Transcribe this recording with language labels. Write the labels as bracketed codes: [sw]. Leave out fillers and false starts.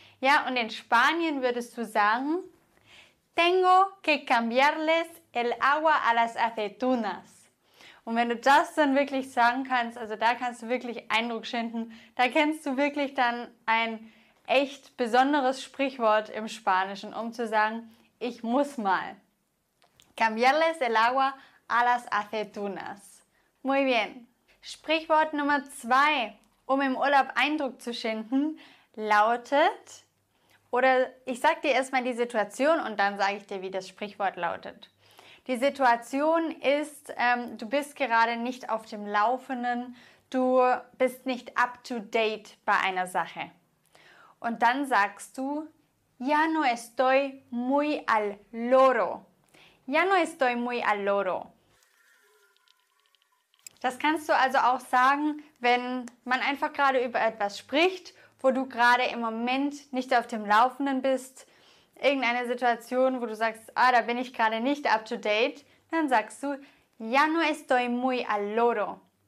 [de] Ja, und in Spanien würdest du sagen, [es] tengo que cambiarles el agua a las aceitunas. [de] Und wenn du das dann wirklich sagen kannst, also da kannst du wirklich Eindruck schinden, da kennst du wirklich dann ein echt besonderes Sprichwort im Spanischen, um zu sagen, [es] ich muss mal. Cambiarles el agua a las aceitunas. Muy bien. [de] Sprichwort Nummer 2, um im Urlaub Eindruck zu schinden, lautet... Oder ich sage dir erstmal die Situation und dann sage ich dir, wie das Sprichwort lautet. Die Situation ist, du bist gerade nicht auf dem Laufenden, du bist nicht up to date bei einer Sache. Und dann sagst du, [es] ya no estoy muy al loro. Ya no estoy muy al loro. [de] Das kannst du also auch sagen, wenn man einfach gerade über etwas spricht, wo du gerade im Moment nicht auf dem Laufenden bist, irgendeine Situation, wo du sagst, ah, da bin ich gerade nicht up to date, dann sagst du, [es] ya no estoy muy al loro.